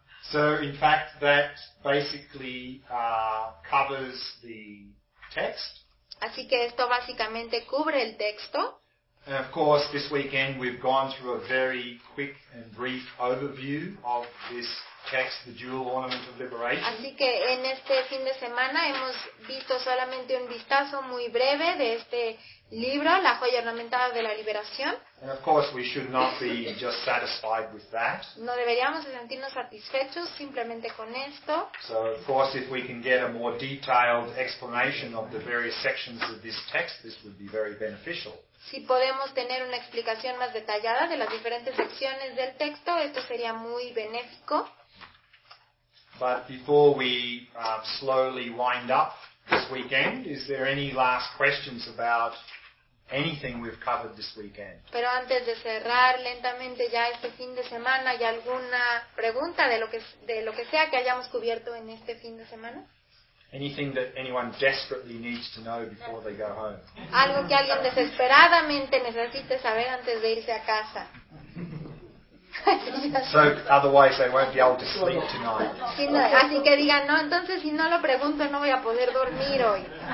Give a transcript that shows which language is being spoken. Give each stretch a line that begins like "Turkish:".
English: So in fact that basically covers the text.
Spanish: Así que esto básicamente cubre el texto.
English: And of course this weekend we've gone through a very quick and brief overview of this text, the Dual Ornament of Liberation.
Spanish: Así que en este fin de semana hemos visto solamente un vistazo muy breve de este libro, La Joya Ornamentada de la Liberación.
English: And of course we should not be just satisfied with that.
Spanish: No deberíamos sentirnos satisfechos simplemente con esto.
English: So of course if we can get a more detailed explanation of the various sections of this text, this would be very beneficial.
Spanish: Si podemos tener una explicación más detallada de las diferentes secciones del texto, esto sería muy benéfico.
English: But before we slowly wind up this weekend, is there any last questions about anything we've covered this weekend?
Spanish: Pero antes de cerrar lentamente ya este fin de semana, ¿hay alguna pregunta de lo que sea que hayamos cubierto en este fin de semana?
English: Anything that anyone desperately needs to know before they go home.
Spanish: Algo que alguien desesperadamente necesite saber antes de irse a casa.
English: So otherwise they won't be able to sleep tonight.
Spanish: Si no, así que digan, no, entonces si no lo pregunto no voy a poder dormir hoy.